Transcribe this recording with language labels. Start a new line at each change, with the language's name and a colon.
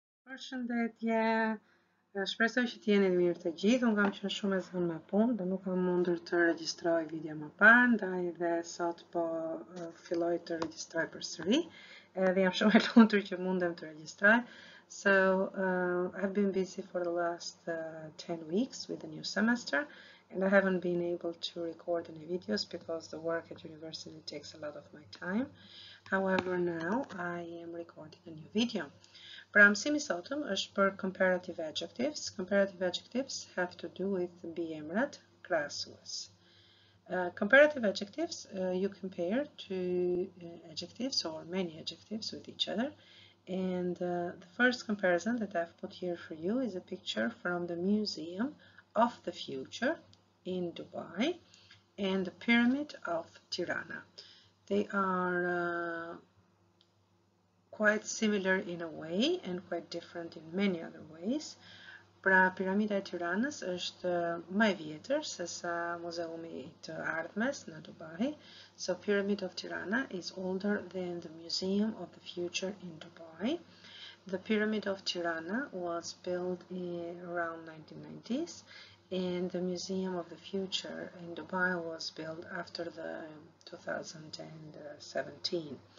Albanian: Përshëndetje, shpresoj që t'jeni mirë të gjithë, unë kam qënë shumë e zënë me punë dhe nuk kam mundur të registroj video më parë, ndaj dhe sot po filloj të registroj për sëri, edhe jam shumë e lumtur që mundem të registroj.
English: So, I've been busy for the last 10 weeks with the new semester, and I haven't been able to record any videos because the work at university takes a lot of my time. However, now I am recording a new video.
Albanian: Pra mësimi sotëm është për comparative adjectives.
English: Comparative adjectives have to do with
Albanian: mbiemrat, krahasues.
English: Comparative adjectives you compare to adjectives or many adjectives with each other. And the first comparison that I've put here for you is a picture from the Museum of the Future in Dubai and the Pyramid of Tirana. They are quite similar in a way and quite different in many other ways.
Albanian: Pra Piramida e Tiranës është më e vjetër se sa Muzeumi I të Ardhmes në Dubai.
English: So Pyramid of Tirana is older than the Museum of the Future in Dubai. The Pyramid of Tirana was built around 1990s and the Museum of the Future in Dubai was built after the 2017.